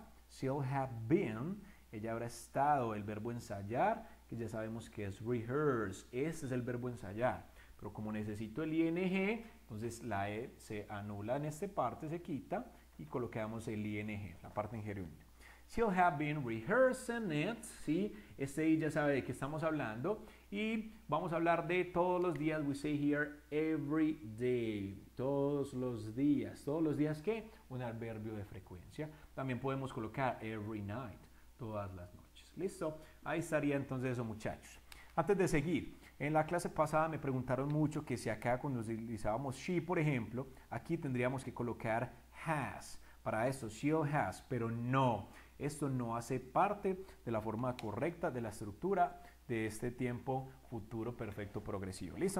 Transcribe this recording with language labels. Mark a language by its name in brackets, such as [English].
[English] She'll have been. [Spanish] Ella habrá estado, el verbo ensayar, que ya sabemos que es rehearse. Ese es el verbo ensayar. Pero como necesito el ing, entonces la e se anula en esta parte, se quita y colocamos el ing, la parte en gerundio. [English] She'll have been rehearsing it, ¿sí? [Spanish] Este i ya sabe de qué estamos hablando. Y vamos a hablar de todos los días, [English] we say here every day, [Spanish] todos los días. ¿Todos los días qué? Un adverbio de frecuencia. También podemos colocar [English] every night, [Spanish] todas las noches. ¿Listo? Ahí estaría entonces eso, muchachos. Antes de seguir, en la clase pasada me preguntaron mucho que si acá cuando utilizábamos she, por ejemplo, aquí tendríamos que colocar has para esto, she'll has, pero no, esto no hace parte de la forma correcta de la estructura de este tiempo futuro perfecto progresivo. ¿Listo?